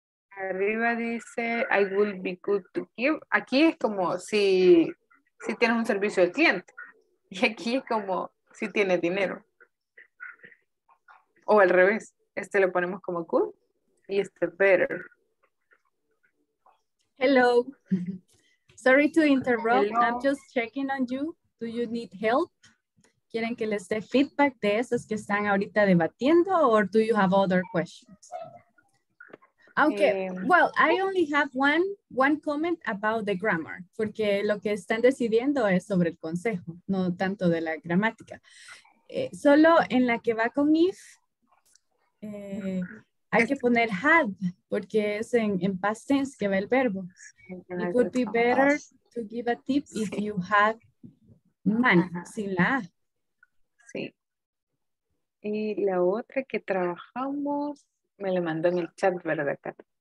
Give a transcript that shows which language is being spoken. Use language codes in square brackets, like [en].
[es] Arriba dice, [en] I would be good to give. [es] Aquí es como si tienes un servicio al cliente. Y aquí es como si tienes dinero. O al revés, este lo ponemos como good y este better. [en] Hello. Sorry to interrupt. Hello. I'm just checking on you. Do you need help? [es] ¿Quieren que les dé feedback de esos que están ahorita debatiendo [en] or do you have other questions? Okay, well, I only have one comment about the grammar, [es] porque lo que están decidiendo es sobre el consejo, no tanto de la gramática. Solo en la que va con if, hay que poner had, porque es en past tense que va el verbo. [en] It would be better to give a tip if you had money, [es] sin la A. Sí. Y la otra que trabajamos, me le mandó en el chat, ¿verdad, Kat?